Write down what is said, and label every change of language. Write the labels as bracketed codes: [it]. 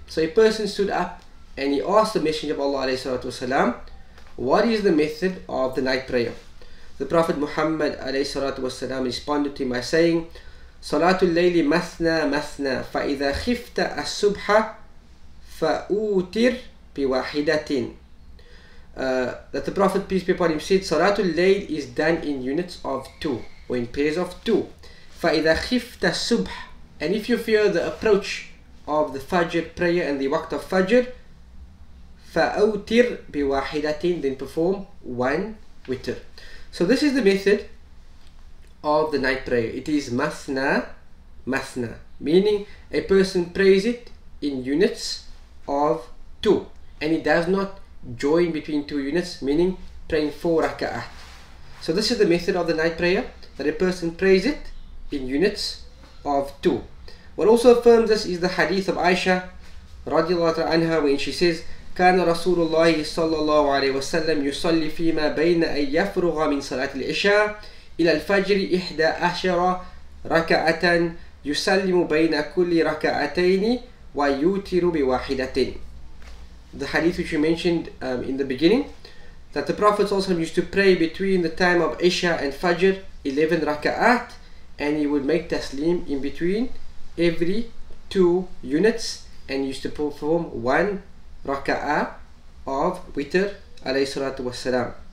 [en] So a person stood up and he asked the Messenger of Allah [ar] عليه الصلاة والسلام, [en] what is the method of the night prayer? The Prophet Muhammad [ar] عليه الصلاة والسلام [en] responded to him by saying, [ar] صلاة الليل مثنى مثنى فإذا خفت الصبح فأوتر بواحدة. [en] That the Prophet peace be upon him said, صلاة الليل is done in units of two or in pairs of two. [ar] فَإِذَا خِفْتَ الصُّبْحَ, [en] and if you fear the approach of the Fajr prayer and the waqt of Fajr, [ar] فَأَوْتِرْ بِوَاحِدَةٍ, [en] then perform one witr. So this is the method of the night prayer. It is مَثْنَى مَثْنَى, meaning a person prays it in units of two. and he does not join between two units, meaning praying four raka'ah. So this is the method of the night prayer, that a person prays it in units of two. What also affirms this is the hadith of Aisha radiallahu anha, when she says, [ar] كان رسول الله صلى الله عليه وسلم يصلي فيما بين أن يفرغ من صلاة العشاء إلى الفجر إحدى عشر ركعة يسلم بين كل ركعتين ويوتر بواحدة. [en] The hadith which we mentioned in the beginning, that the Prophet ﷺ used to pray between the time of Isha and Fajr 11 raka'at, and he would make taslim in between every two units, and used to perform one raka'ah of witr alayhi salatu wasalam.